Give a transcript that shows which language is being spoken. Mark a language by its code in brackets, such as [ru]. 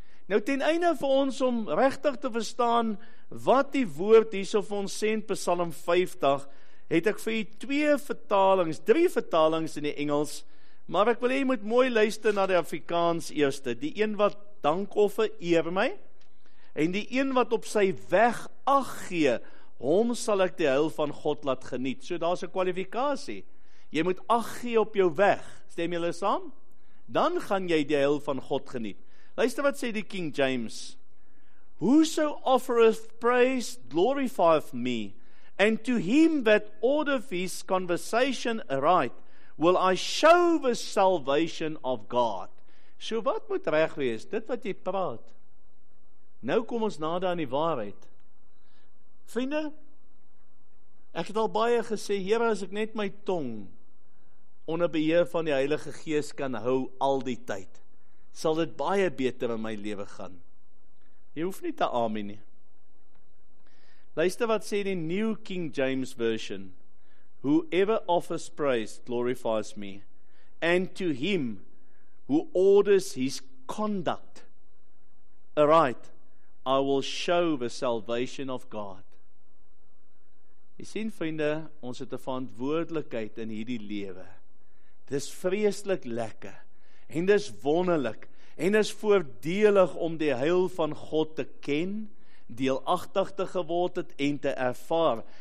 [af] Nou ten einde vir ons om regtig te verstaan wat die woord hierso vir ons sê in Psalm 50, het ek vir u drie vertalings in die Engels, maar ek wil hê jy moet mooi luister na die Afrikaans eerste. Die een wat dankoffer eer my, en die een wat op sy weg ag gee, hom sal ek die heil van God laat geniet. So daar's 'n kwalifikasie. Jy moet ag gee op jou weg. Stem julle saam? Dan gaan jy die heil van God geniet. Luister wat sê die King James. [en] Whoso offereth praise glorifieth me, and to him that ordereth his conversation aright, will I show the salvation of God. [af] So wat moet reg wees? Dit wat jy praat. Nou kom ons nader aan die waarheid. Vriende, ek het al baie gesê, Here, as ek net my tong onder beheer van die Heilige Gees kan hou al die tyd, sal dit baie beter in my lewe gaan. Jy hoef nie te amen nie. Luister wat sê die New King James Version. [en] Whoever offers praise glorifies me, and to him who orders his conduct aright, I will show the salvation of God. [af] Jy sien, vriende, ons het 'n verantwoordelikheid in hierdie lewe. Dis vreeslik lekker en dis wonderlik en is voordelig om die heil van God te ken, deelagtig te geword het en te ervaar.